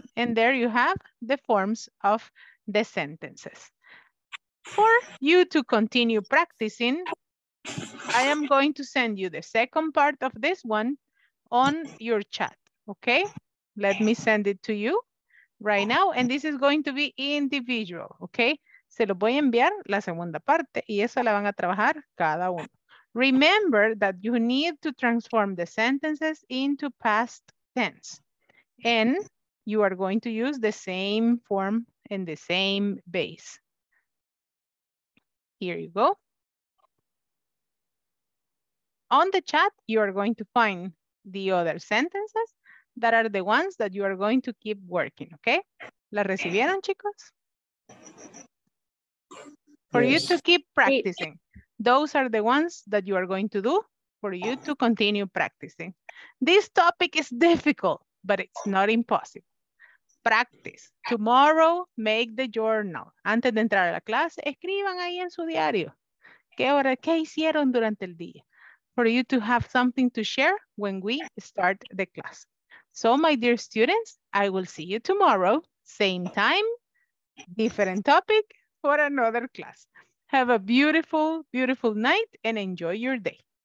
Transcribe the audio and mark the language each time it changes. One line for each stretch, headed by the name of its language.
English: And there you have the forms of the sentences. For you to continue practicing, I am going to send you the second part of this one on your chat, okay? Let me send it to you right now, and this is going to be individual, okay?
Spanish: Se lo voy a enviar la segunda parte, y esa la van a trabajar cada uno.
English: Remember that you need to transform the sentences into past tense, and you are going to use the same form and the same base. Here you go. On the chat, you are going to find the other sentences that are the ones that you are going to keep working, okay?
Spanish: ¿La recibieron, chicos?
English: For yes. You to keep practicing. Those are the ones that you are going to do for you to continue practicing. This topic is difficult, but it's not impossible. Practice. Tomorrow, make the journal.
Spanish: Antes de entrar a la clase, escriban ahí en su diario. ¿Qué hicieron durante el día?
English: For you to have something to share when we start the class. So, my dear students, I will see you tomorrow. Same time, different topic for another class. Have a beautiful, beautiful night and enjoy your day.